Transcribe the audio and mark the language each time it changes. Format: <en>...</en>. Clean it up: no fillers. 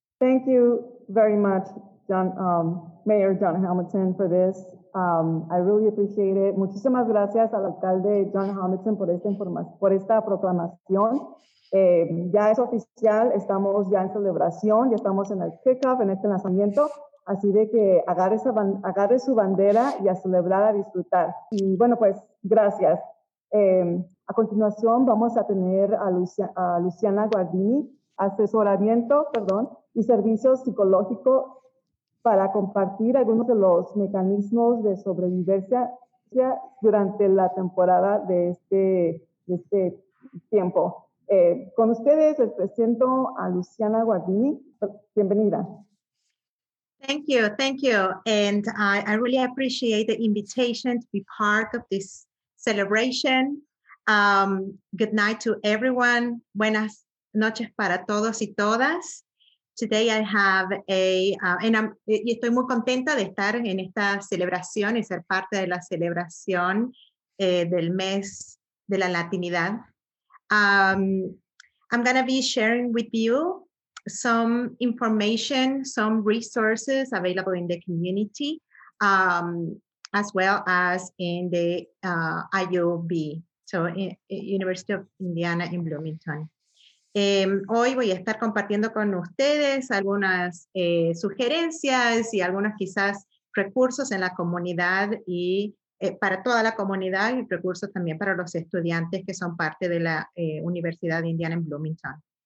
<en>Thank you very much, John, Mayor John Hamilton, for this. I really appreciate it.</en> <es>Muchísimas gracias al alcalde John Hamilton por esta proclamación. Ya es oficial, estamos ya en celebración, ya estamos en el kickoff, en este lanzamiento. Así de que agarre su bandera y a celebrar, a disfrutar. Y bueno, pues, gracias. A continuación vamos a tener a Luciana Guardini, asesoramiento y servicios psicológicos, para compartir algunos de los mecanismos de sobrevivencia durante la temporada de este tiempo. Con ustedes les presento a Luciana Guardini. Bienvenida.</es> <en>Thank you. And I really appreciate the invitation to be part of this celebration. Good night to everyone.</en> <es>Buenas noches para todos y todas.</es> <en>Today I have</en> <es>y estoy muy contenta de estar en esta celebración y ser parte de la celebración del mes de la Latinidad.</es> <en>I'm going to be sharing with you some information, some resources available in the community, as well as in the IUB, so University of Indiana in Bloomington.</en> <es>Hoy voy a estar compartiendo con ustedes algunas sugerencias y algunos quizás recursos en la comunidad y para toda la comunidad, y recursos también para los estudiantes que son parte de la Universidad de Indiana en Bloomington.</es>